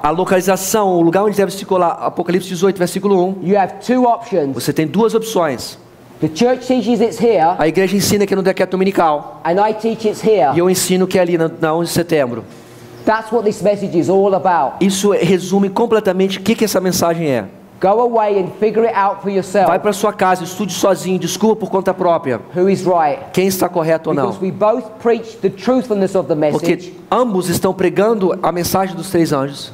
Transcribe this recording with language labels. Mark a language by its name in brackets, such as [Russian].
[Portuguese] A localização, o lugar onde deve se colar Apocalipse 18 versículo 1. [English] You have two options. [Portuguese] Você tem duas opções. [English] The church teaches it's here. [Portuguese] A igreja ensina que é no decreto dominical. [English] And I teach it's here. [Portuguese] E eu ensino que é ali na 11 de setembro. [English] That's what this message is all about. [Portuguese] Isso resume completamente o que essa mensagem é. [English] Go away and figure it out for yourself. [Portuguese] Vai para sua casa, estude sozinho, descubra por conta própria. [English] Who is right? [Portuguese] Quem está correto ou não? [English] Because we both preach the truthfulness of the message. [Portuguese] Porque ambos estão pregando a mensagem dos três anjos.